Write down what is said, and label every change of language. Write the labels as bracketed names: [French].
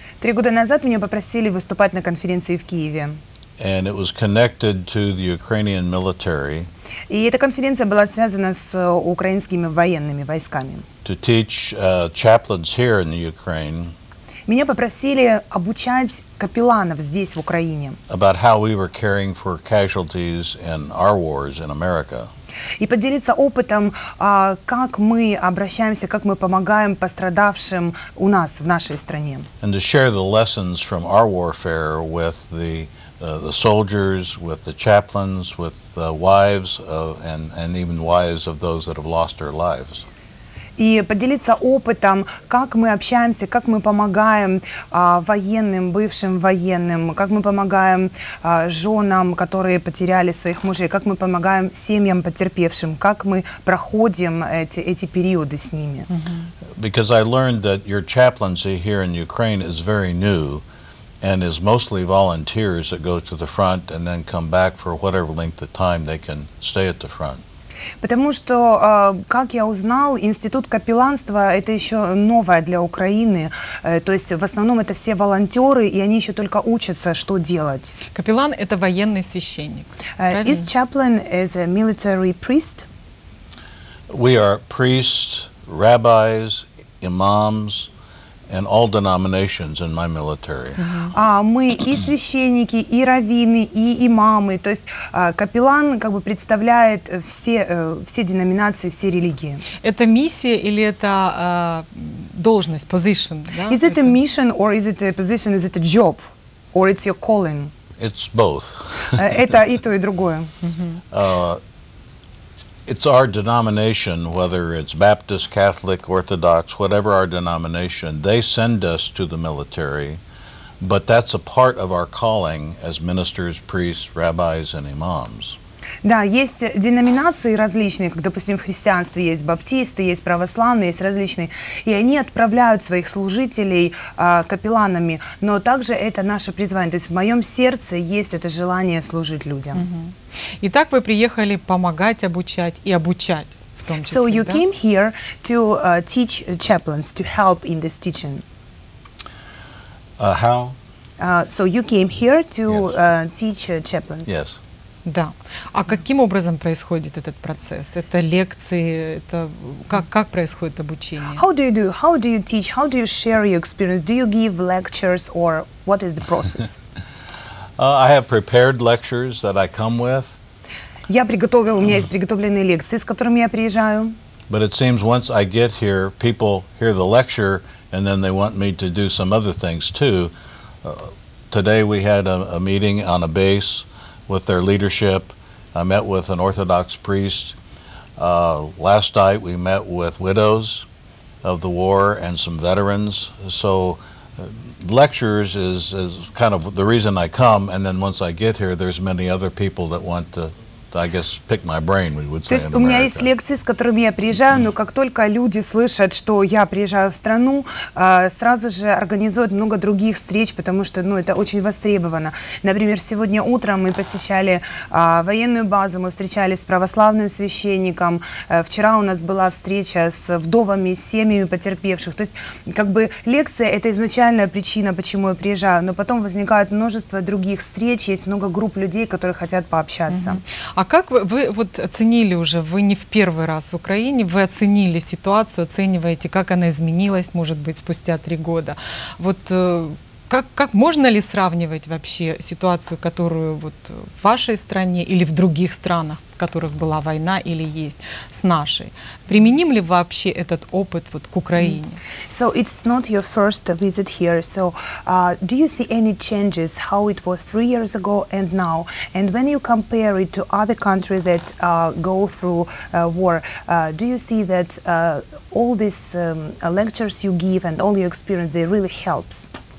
[Russian] 3 года назад меня попросили выступать на конференции в Киеве. [English] And it was connected to the Ukrainian military. [Russian] И эта конференция была связана с украинскими военными войсками. [English] To teach chaplains here in the Ukraine. [Russian] Меня попросили обучать капелланов здесь, в Украине. [English] About how we were caring for casualties in our wars in America. [Russian] И поделиться опытом, как мы обращаемся, как мы помогаем пострадавшим у нас, в нашей стране. [English] And to share the lessons from our warfare with the soldiers, with the chaplains, with the wives of, and even wives of those that have lost their lives. [Russian] И поделиться опытом, как мы общаемся, как мы помогаем военным, бывшим военным, как мы помогаем женам, которые потеряли своих мужей, как мы помогаем семьям потерпевшим, как мы проходим эти периоды с ними. [English] Because I learned that your chaplaincy here in Ukraine is very new and is mostly volunteers that go to the front and then come back for whatever length of time they can stay at the front. [Russian] Потому что, как я узнал, институт капелланства – это еще новое для Украины. То есть в основном это все волонтеры, и они еще только учатся, что делать. Капеллан – это военный священник. [English] Is chaplain is a military priest? We are priests, rabbis, imams, and all denominations in my military. [Russian] Мы и священники, и раввины, и имамы. То есть капеллан как бы представляет все деноминации, все религии. Это миссия или это должность, position? Да? [English] Is it a mission or is it a position, is it a job or it's your calling? It's both. [Russian] Это и то, и другое. [English] It's our denomination, whether it's Baptist, Catholic, Orthodox, whatever our denomination, they send us to the military, but that's a part of our calling as ministers, priests, rabbis, and imams. [Russian] Да, есть деноминации различные, как, допустим, в христианстве есть баптисты, есть православные, есть различные, и они отправляют своих служителей капелланами, но также это наше призвание. То есть в моем сердце есть это желание служить людям. Итак, вы приехали помогать, обучать и обучать в том числе, [English] да? So you came here to teach chaplains, to help in this teaching. How? So you came here to teach chaplains. Yes. [Russian] Да. А каким образом происходит этот процесс? Это лекции? Это как происходит обучение? [English] How do you do? How do you teach? How do you share your experience? Do you give lectures or what is the process? I have prepared lectures that I come with. [Russian] Я приготовил, у меня есть приготовленные лекции, с которыми я приезжаю. [English] But it seems once I get here, people hear the lecture and then they want me to do some other things too. Today we had a meeting on a base with their leadership. I met with an Orthodox priest. Last night we met with widows of the war and some veterans. So lectures is kind of the reason I come, and then once I get here, there's many other people that want to I guess pick my brain, we would say. [Russian] То есть у меня есть лекции, с которыми я приезжаю, но как только люди слышат, что я приезжаю в страну, сразу же организуют много других встреч, потому что, ну, это очень востребовано. Например, сегодня утром мы посещали военную базу, мы встречались с православным священником. Вчера у нас была встреча с вдовами, с семьями потерпевших. То есть, как бы, лекция – это изначальная причина, почему я приезжаю, но потом возникает множество других встреч, есть много групп людей, которые хотят пообщаться. А как вы вот оценили уже, вы не в первый раз в Украине, вы оценили ситуацию, оцениваете, как она изменилась, может быть, спустя 3 года. Вот как можно ли сравнивать вообще ситуацию, которую вот в вашей стране или в других странах, в которых была война или есть, с нашей? Применим ли вообще этот опыт вот к Украине? [English] So it's not your first visit here. So do you see any changes how it was 3 years ago and now? And when you compare it to other countries that go through war, do you see that all these lectures you give and all your experience, they really helps?